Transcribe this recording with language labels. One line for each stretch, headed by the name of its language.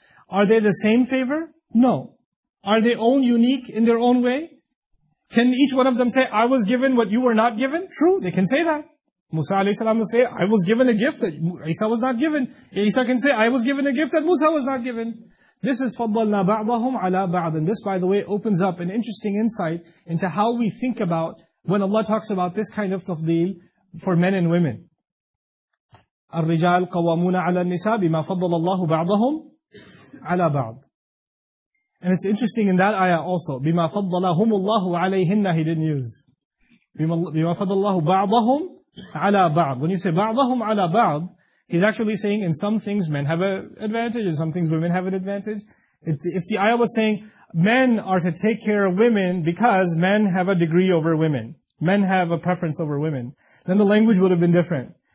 English: Are they the same favor? No. Are they all unique in their own way? Can each one of them say, I was given what you were not given? True, they can say that. Musa alayhi salam will say, I was given a gift that Isa was not given. Isa can say, I was given a gift that Musa was not given. This is
Arabic: فَضَّلْنَا بَعْضَهُمْ عَلَىٰ بَعْضٍ.
English: This, by the way, opens up an interesting insight into how we think about when Allah talks about this kind of tafdeel for men and women.
Arabic: الرِّجَالْ قَوَّمُونَ عَلَىٰ النِّسَاءِ بِمَا فَضَّلَ اللَّهُ بَعْضَهُمْ عَلَىٰ بَعْضٍ.
English: And it's interesting in that ayah also.
Arabic: بِمَا فَضَّلَهُمُ اللَّهُ عَلَيْهِنَّ
English: he didn't use.
Arabic: بِمَا فَضَّلَ اللَّهُ بَعْضَهُمْ عَلَىٰ بَعْضٍ.
English: When you say
Arabic: بَعْضَهُمْ عَلَىٰ بَعْضٍ,
English: he's actually saying in some things men have an advantage, in some things women have an advantage. If the ayah was saying men are to take care of women because men have a degree over women, men have a preference over women, then the language would have been different.